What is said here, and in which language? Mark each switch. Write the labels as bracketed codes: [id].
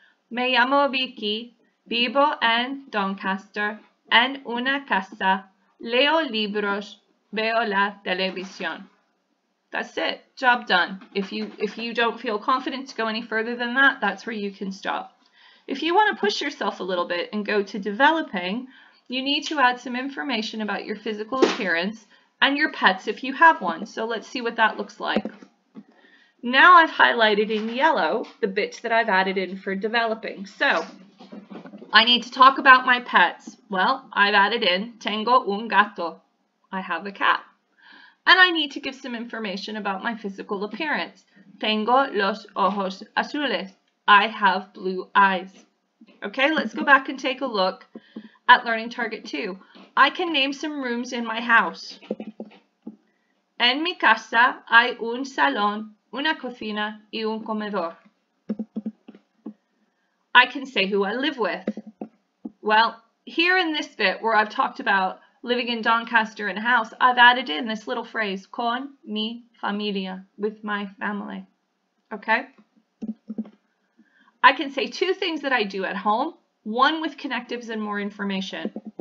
[es] Me llamo Vicky, vivo en Doncaster, en una casa, leo libros, veo la televisión. [en] That's it, job done. If you don't feel confident to go any further than that, that's where you can stop. If you want to push yourself a little bit and go to developing, you need to add some information about your physical appearance and your pets if you have one. So let's see what that looks like. Now I've highlighted in yellow the bits that I've added in for developing. So I need to talk about my pets. Well, I've added in, [es] tengo un gato. [en] I have a cat. And I need to give some information about my physical appearance. [es] Tengo los ojos azules. [en] I have blue eyes. Okay, let's go back and take a look at learning target two. I can name some rooms in my house. [es] En mi casa hay un salón, una cocina y un comedor. [en] I can say who I live with. Well, here in this bit where I've talked about living in Doncaster in a house, I've added in this little phrase, [es] con mi familia, [en] with my family. Okay? I can say two things that I do at home, one with connectives and more information.